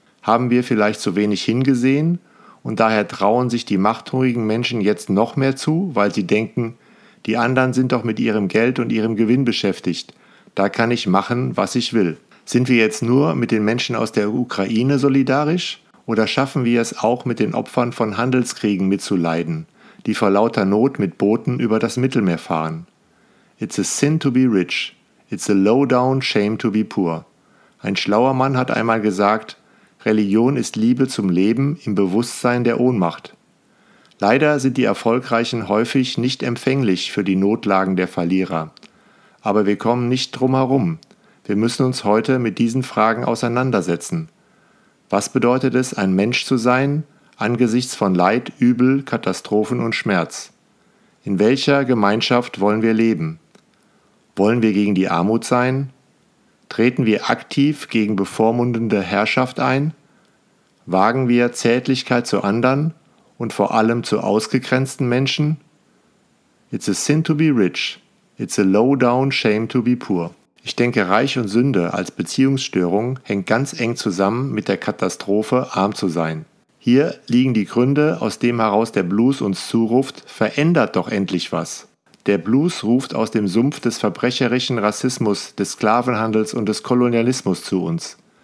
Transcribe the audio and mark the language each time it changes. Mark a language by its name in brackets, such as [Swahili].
[German] Haben wir vielleicht zu wenig hingesehen und daher trauen sich die machthungrigen Menschen jetzt noch mehr zu, weil sie denken, die anderen sind doch mit ihrem Geld und ihrem Gewinn beschäftigt. Da kann ich machen, was ich will. Sind wir jetzt nur mit den Menschen aus der Ukraine solidarisch oder schaffen wir es auch mit den Opfern von Handelskriegen mitzuleiden, die vor lauter Not mit Booten über das Mittelmeer fahren? [English] It's a sin to be rich. It's a low down shame to be poor. [German] Ein schlauer Mann hat einmal gesagt, Religion ist Liebe zum Leben im Bewusstsein der Ohnmacht. Leider sind die Erfolgreichen häufig nicht empfänglich für die Notlagen der Verlierer. Aber wir kommen nicht drum herum. Wir müssen uns heute mit diesen Fragen auseinandersetzen. Was bedeutet es, ein Mensch zu sein, angesichts von Leid, Übel, Katastrophen und Schmerz? In welcher Gemeinschaft wollen wir leben? Wollen wir gegen die Armut sein? Treten wir aktiv gegen bevormundende Herrschaft ein? Wagen wir Zärtlichkeit zu anderen und vor allem zu ausgegrenzten Menschen? [English] It's a sin to be rich. It's a low down shame to be poor. [German] Ich denke, Reich und Sünde als Beziehungsstörung hängt ganz eng zusammen mit der Katastrophe, arm zu sein. Hier liegen die Gründe, aus dem heraus der Blues uns zuruft, verändert doch endlich was. Der Blues ruft aus dem Sumpf des verbrecherischen Rassismus, des Sklavenhandels und des Kolonialismus zu uns.